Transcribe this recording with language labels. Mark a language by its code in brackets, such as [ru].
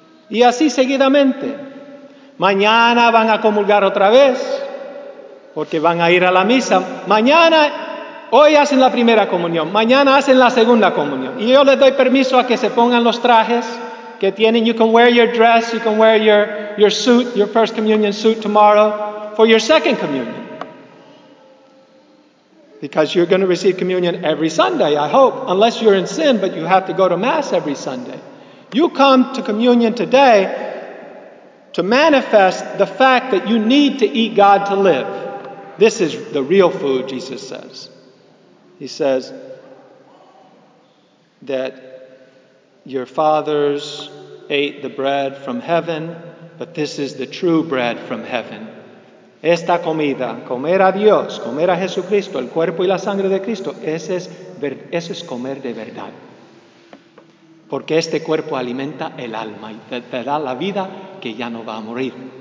[es] Y así seguidamente. Mañana van a comulgar otra vez porque van a ir a la misa. Mañana, hoy hacen la primera comunión, mañana hacen la segunda comunión. Y yo les doy permiso a que se pongan los trajes que tienen. [en] You can wear your dress, you can wear your suit, your first communion suit tomorrow for your second communion. Because you're going to receive communion every Sunday, I hope, unless you're in sin, but you have to go to Mass every Sunday. You come to communion today to manifest the fact that you need to eat God to live. This is the real food, Jesus says. He says that your fathers ate the bread from heaven, but this is the true bread from heaven. [es] Esta comida, comer a Dios, comer a Jesucristo, el cuerpo y la sangre de Cristo, ese es comer de verdad. Porque este cuerpo alimenta el alma y te da la vida que ya no va a morir.